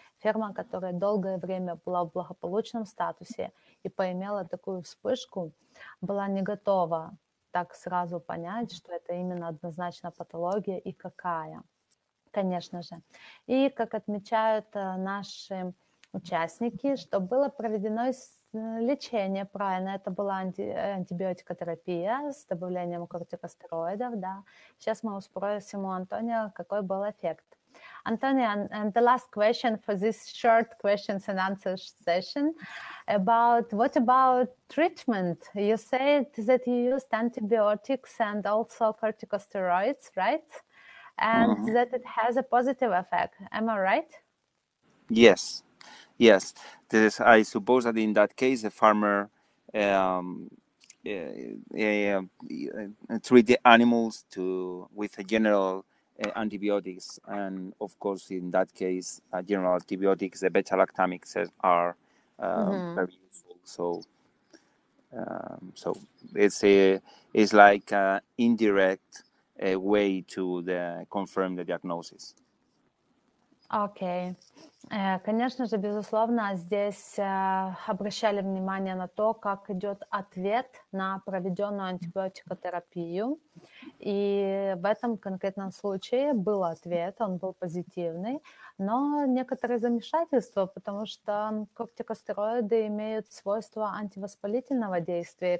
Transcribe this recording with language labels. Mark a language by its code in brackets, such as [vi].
[ru] Ферма, которая долгое время была в благополучном статусе и поимела такую вспышку, была не готова так сразу понять, что это именно однозначно патология и какая, конечно же. И, как отмечают наши участники, что было проведено лечение, правильно, это была антибиотикотерапия с добавлением кортикостероидов, да. Сейчас мы спросим у Антонио, какой был эффект. [en] Antonio, and the last question for this short questions and answers session, about what about treatment? You said that you used antibiotics and also corticosteroids, right? And mm-hmm. that it has a positive effect. Am I right? Yes. Yes. This, I suppose that in that case, the farmer treat the animals to with a general antibiotics, and of course in that case general antibiotics, the beta lactamics are very useful, so it's like an indirect way to the confirm the diagnosis. Okay. [ru] Конечно же, безусловно, здесь обращали внимание на то, как идет ответ на проведенную антибиотикотерапию. И в этом конкретном случае был ответ, он был позитивный, но некоторые замешательства, потому что кортикостероиды имеют свойство антивоспалительного действия.